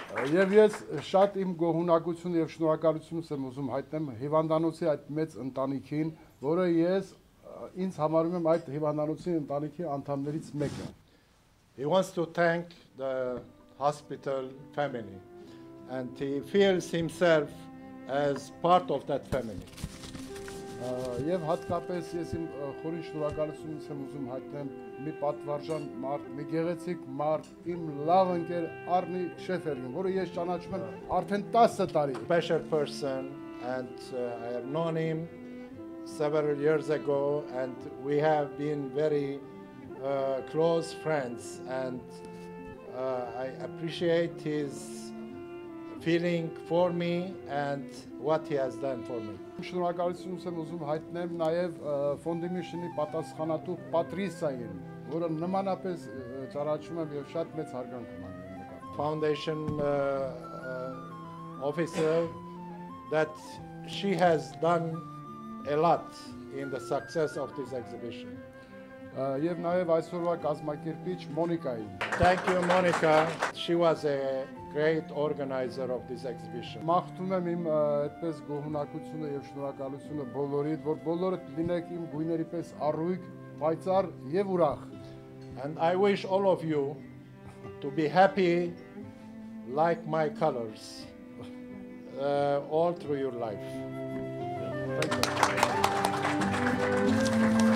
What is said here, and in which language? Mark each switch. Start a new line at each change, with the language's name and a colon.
Armenian: Եվ ես շատ իմ գոհունակությունը եւ շնորհակալությունը եմ ուզում հայտնել հիվանդանոցի այդ մեծ ընտանիքին, որը ես ինձ համարում եմ այդ հիվանդանոցի ընտանիքի անդամներից մեկը.
English: He wants to thank the hospital family, and he feels himself as part of that family.
Armenian: Եվ հատկապես ես իմ խորին շնորհակալությունը եմ ուզում հայտնել մի պատվարժան մարդ, մի գեղեցիկ մարդ, իմ լավ ընկեր Արնի Շեֆերին, որը ես ճանաչում եմ արդեն 10 տարի.
English: Special person, and I have known him several years ago, and we have been very close friends, and I appreciate his feeling for me and what he has done for me.
Armenian: Շնորհակալություն եմ ուզում հայտնել նաև ֆոնդի միշնի պատասխանատու Պատրիսային, որը նմանապես ճարաչում եմ եւ շատ մեծ հարգանք ունեմ նրա կողմից.
English: Foundation officer that she has done a lot in the success of this exhibition.
Armenian: Եվ նաև այսօրվա կազմակերպիչ Մոնիկային.
English: Thank you Monica. She was a great organizer of this exhibition.
Armenian: Մաղթում եմ իմ այդպես գոհունակությունը եւ շնորհակալությունը բոլորիդ, որ բոլորը լինեք իմ գույների պես առույգ, պայծառ եւ ուրախ.
English: And I wish all of you to be happy like my colors all through your life.